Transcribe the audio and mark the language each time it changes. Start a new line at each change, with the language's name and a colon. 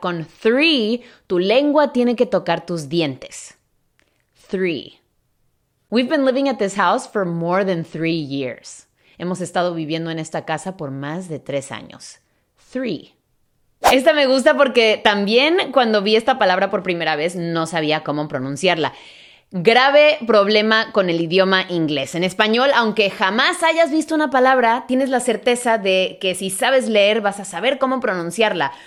Spanish: Con three, tu lengua tiene que tocar tus dientes.
English: Three. We've been living at this house for more than 3 years.
Spanish: Hemos estado viviendo en esta casa por más de 3 años. Three. Esta me gusta porque también cuando vi esta palabra por primera vez no sabía cómo pronunciarla. Grave problema con el idioma inglés. En español, aunque jamás hayas visto una palabra, tienes la certeza de que si sabes leer vas a saber cómo pronunciarla.